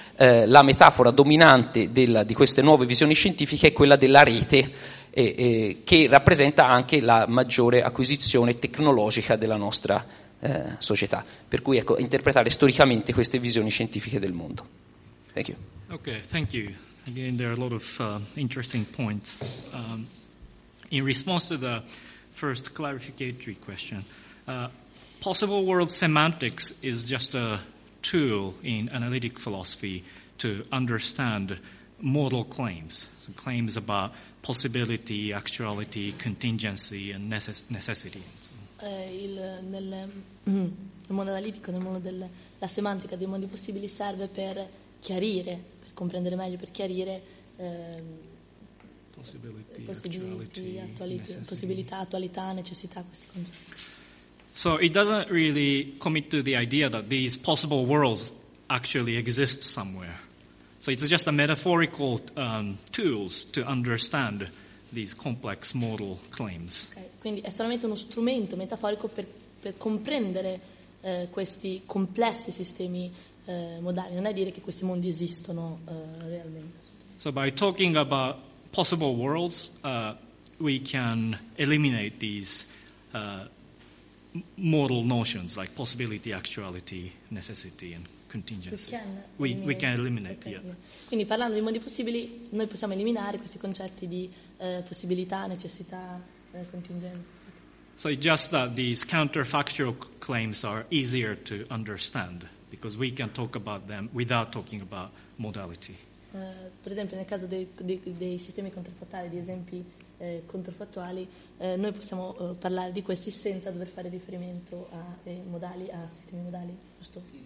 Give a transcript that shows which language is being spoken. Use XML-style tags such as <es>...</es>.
<it>la metafora dominante di queste nuove visioni scientifiche è quella della rete, che rappresenta anche la maggiore acquisizione tecnologica della nostra società. Per cui, ecco, interpretare storicamente queste visioni scientifiche del mondo.</it> <en>Thank you. Okay, thank you. Again, there are a lot of interesting points. In response to the first clarificatory question, possible world semantics is just a tool in analytic philosophy to understand model claims, so claims about possibility, actuality, contingency, and necessity.</en> <it>Il mondo analitico, nel mondo della semantica dei mondi possibili, serve per chiarire, per comprendere meglio, per chiarire possibilità, attualità, necessità, questi concetti.</it> <en>So it doesn't really commit to the idea that these possible worlds actually exist somewhere. So it's just a metaphorical tools to understand these complex model claims. Okay.</en> <it>Quindi è solamente uno strumento metaforico per comprendere questi complessi sistemi modali. Non è dire che questi mondi esistono realmente.</it> <en>So by talking about possible worlds, we can eliminate these model notions like possibility, actuality, necessity, and contingency. We can eliminate. Yeah.</en> <it>Quindi parlando di mondi possibili, noi possiamo eliminare questi concetti di possibilità, necessità, contingenza.</it> <en>So it's just that these counterfactual claims are easier to understand because we can talk about them without talking about modality.</en> <it>Per esempio, nel caso dei sistemi contraffattuali, di esempi controfattuali, noi possiamo parlare di questi senza dover fare riferimento a modali, a sistemi modali, giusto?</it>